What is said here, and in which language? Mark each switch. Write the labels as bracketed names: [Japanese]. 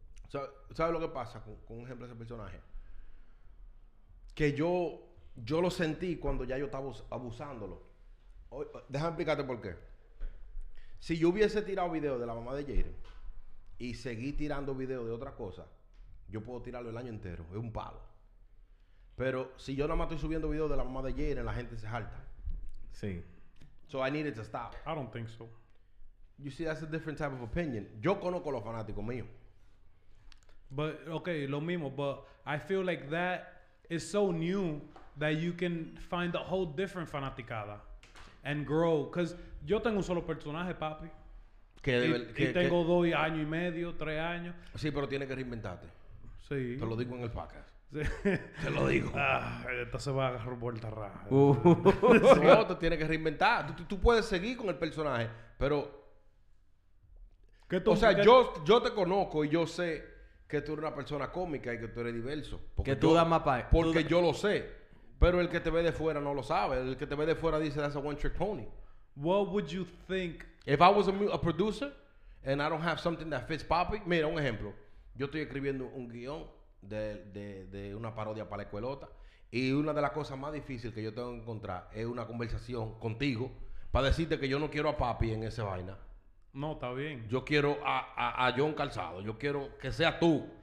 [Spanish] ¿Sabes lo que pasa con un ejemplo de ese personaje? Que yo lo sentí cuando ya yo estaba abusándolo. Déjame explicarte por qué. Si yo hubiese tirado video de la mamá de Jaden y seguí tirando video de otra cosa, yo puedo tirarlo el año entero, es un palo. Pero si yo nada más estoy subiendo video de la mamá de Jaden, la gente se jalta. Sí. [English] So I needed to stop. I don't think so. You see, that's a different type of opinion. [Spanish] Yo conozco los fanáticos míos. [English] But, okay, [Spanish] lo mismo. [English] But I feel like that is so new that you can find a whole different fanaticada and grow. [Spanish] Because yo tengo un solo personaje, papi. Que tengo 2 años y medio, 3 años. Sí, pero tienes que reinventarte. Sí. Te lo digo en el podcast. Sí. Te lo digo. Ah, esto se va a agarrar vuelta raja. No, te tienes que reinventar. Tú puedes seguir con el personaje, pero... ¿Qué tú, o sea, yo te conozco y yo sé que tú eres una persona cómica y que tú eres diverso. Porque que tú das más para... Porque yo lo sé. Pero el que te ve de fuera no lo sabe. El que te ve de fuera dice, [English] that's a one-trick pony. What would you think? If I was a producer and I don't have something that fits Papi... [Spanish] Mira, un ejemplo. Yo estoy escribiendo un guión de una parodia para la escuelota. Y una de las cosas más difíciles que yo tengo que encontrar es una conversación contigo para decirte que yo no quiero a Papi en esa vaina. No, está bien. Yo quiero a John Calzado. Yo quiero que sea tú.